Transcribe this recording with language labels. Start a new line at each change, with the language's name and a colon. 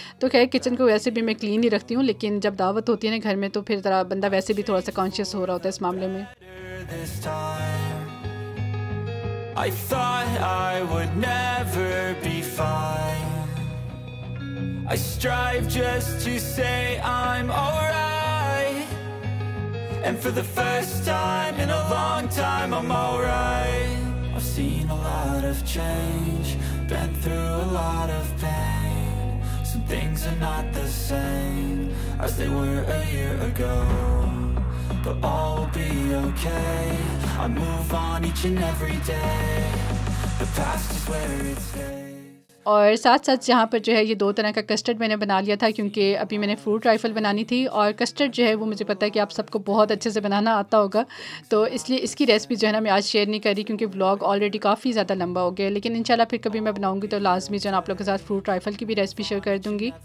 Hindi: तो खैर, किचन को वैसे भी मैं क्लीन ही रखती हूँ, लेकिन जब दावत होती है ना घर में तो फिर ज़रा बंदा वैसे भी थोड़ा सा कॉन्शियस हो रहा होता है इस मामले में।
English: And for the first time in a long time, I'm alright. I've seen a lot of change, been through a lot of pain. Some things are not the same as they were a year ago, but all will be okay. I move on each and every day. The past is where it stays.
Hindi: और साथ साथ यहाँ पर जो है ये 2 तरह का कस्टर्ड मैंने बना लिया था, क्योंकि अभी मैंने फ्रूट राइफल बनानी थी और कस्टर्ड जो है वो मुझे पता है कि आप सबको बहुत अच्छे से बनाना आता होगा, तो इसलिए इसकी रेसिपी जो है ना मैं आज शेयर नहीं कर रही, क्योंकि व्लॉग ऑलरेडी काफ़ी ज़्यादा लंबा हो गया। लेकिन इंशाल्लाह फिर कभी मैं बनाऊंगी तो लाजमी जो है आप लोगों के साथ फ्रूट राइफल की भी रेसिपी शेयर कर दूंगी।